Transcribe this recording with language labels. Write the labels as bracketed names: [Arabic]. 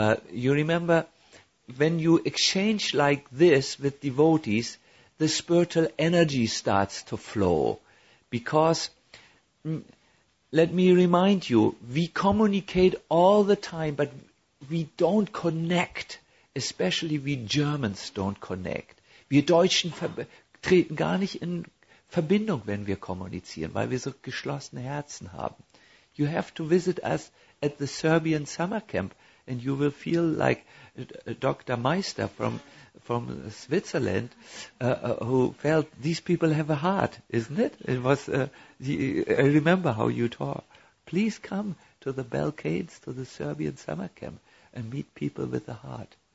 [English] You remember, when you exchange like this with devotees, the spiritual energy starts to flow. Because, let me remind you, we communicate all the time, but we don't connect, especially we Germans don't connect. [German] Wir Deutschen treten gar nicht in Verbindung, wenn wir kommunizieren, weil wir so geschlossene Herzen haben. [English] You have to visit us at the Serbian summer camp and you will feel like Dr. Meister from Switzerland who felt these people have a heart, isn't it? It was, I remember how you talk. Please come to the Balkans, to the Serbian summer camp and meet people with a heart.